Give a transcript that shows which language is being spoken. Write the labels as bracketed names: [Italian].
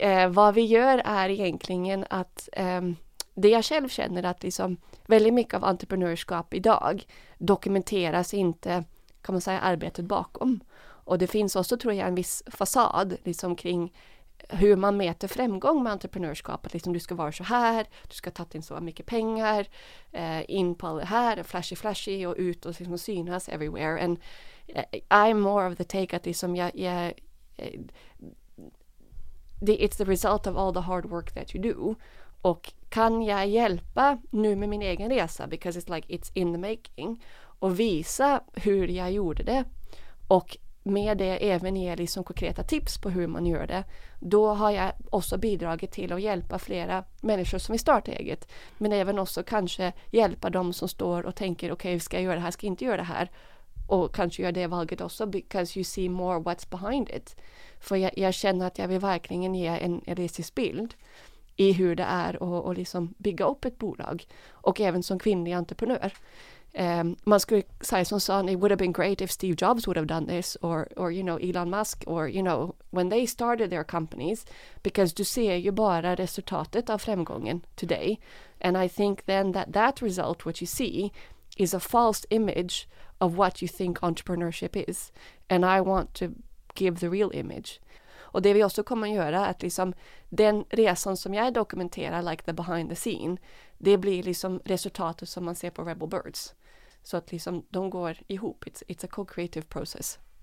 [Swedish] Vad vi gör är egentligen att det jag själv känner att liksom, väldigt mycket av entreprenörskap idag dokumenteras inte, kan man säga, arbetet bakom. Och det finns också, tror jag, en viss fasad liksom, kring hur man mäter framgång med entreprenörskap. Att liksom, du ska vara så här, du ska ta in så mycket pengar, in på det här, flashy och ut och liksom, synas everywhere. [English] And I'm more of the take [Swedish] att liksom, [English] it's the result of all the hard work that you do. [Swedish] Och kan jag hjälpa nu med min egen resa, [English] because it's like it's in the making, [Swedish] och visa hur jag gjorde det och med det även ge liksom konkreta tips på hur man gör det, då har jag också bidragit till att hjälpa flera människor som vill starta eget, men även också kanske hjälpa dem som står och tänker okej, ska jag göra det här, ska jag inte göra det här, och kanske göra det valget också, [English] because you see more what's behind it. [Swedish] För jag känner att jag vill verkligen ge en realistisk bild i hur det är att liksom bygga upp ett bolag. Och även som kvinnlig entreprenör. Man skulle säga som sa, [English] it would have been great if Steve Jobs would have done this. Or you know, Elon Musk. Or you know, when they started their companies. [Swedish] Because du ser ju bara resultatet av framgången today. [English] And I think then that result, what you see, is a false image of what you think entrepreneurship is. And I want to give the real image. [Swedish] Och det vi också kommer att göra är att liksom, den resan som jag dokumenterar, [English] like the behind the scene, [Swedish] det blir liksom resultatet som man ser på Rebel Birds. Så att liksom, de går ihop. [English] It's a co-creative process.